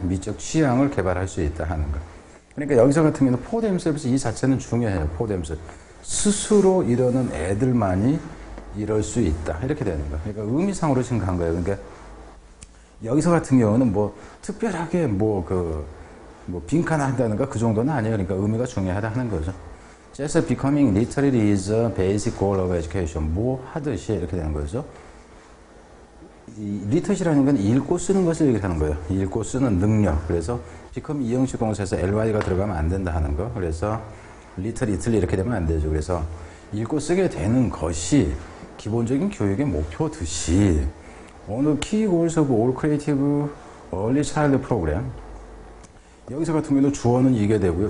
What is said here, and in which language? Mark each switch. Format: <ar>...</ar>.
<ko>미적 취향을 개발할 수 있다 하는 거. 그러니까 여기서 같은 경우는 for themselves 이 자체는 중요해요. for themselves 스스로 이러는 애들만이 이럴 수 있다. 이렇게 되는 거. 그러니까 의미상으로 지금 간 거예요. 그러니까 여기서 같은 경우는 뭐 특별하게 뭐 빈칸을 한다든가 그 정도는 아니에요. 그러니까 의미가 중요하다 하는 거죠.</ko> <en>Just becoming literate is a basic goal of education.</en> <ko>뭐 하듯이 이렇게 되는 거죠. 이 literacy라는 건 읽고 쓰는 것을 얘기하는 거예요. 읽고 쓰는 능력. 그래서 become 이형식 동사에서 ly가 들어가면 안 된다 하는 거. 그래서 literate 이렇게 되면 안 되죠. 그래서 읽고 쓰게 되는 것이 기본적인 교육의 목표듯이</ko> <en>one of key goals of all creative early child program</en> <ko>여기서 같은 경우도 주어는 이게 되고요.</ko>